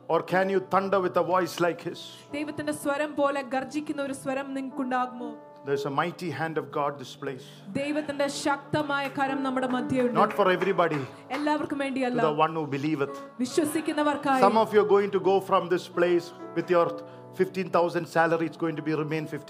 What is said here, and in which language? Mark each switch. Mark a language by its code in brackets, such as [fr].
[en] Or can you thunder with a voice like his? [ml] ദൈവത്തിന്റെ സ്വരം പോലെ ഗർജിക്കുന്ന ഒരു സ്വരം നിങ്ങൾക്കുണ്ടാകുമോ? [en] There's a mighty hand of God this place. [ml] ദൈവത്തിന്റെ ശക്തമായ കരം നമ്മുടെ മധ്യയുണ്ട്. [en] Not for everybody. [ml] എല്ലാവർക്കും വേണ്ടിയല്ല. [en] To the one who believeth. [ml] വിശ്വസിക്കുന്നവർക്കായി. [en] Some of you are going to go from this place with your 15,000 salary it's going to be remain